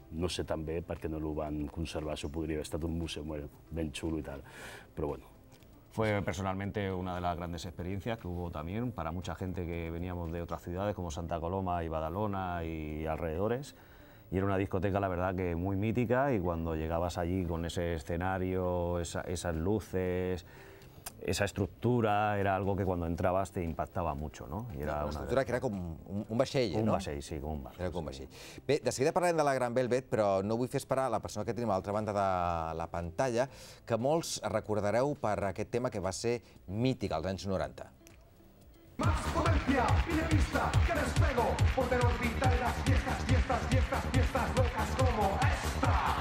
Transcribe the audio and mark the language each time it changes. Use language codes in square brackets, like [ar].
[ca] No sé tan bé perquè no ho van conservar, això podria haver estat un museu ben xulo i tal, però bueno. [es] Fue personalmente una de las grandes experiencias que hubo también para mucha gente que veníamos de otras ciudades como Santa Coloma y Badalona y alrededores. Y era una discoteca, la verdad, que muy mítica, y cuando llegabas allí con ese escenario, esas luces, esa estructura, era algo que cuando entrabas te impactaba mucho, ¿no? Y era una estructura que era como un vaixell, ¿no? Un vaixell, sí, como un barco. Era como un vaixell. [ca] Bé, de seguida parlarem de la Gran Velvet, però no vull fer esperar a la persona que tenim a l'altra banda de la pantalla, que molts recordareu per aquest tema que va ser mític als anys 90. [es] Más comercia, pide pista, que despego, porque no olvidaré las fiestas, fiestas, fiestas, fiestas locas como esta.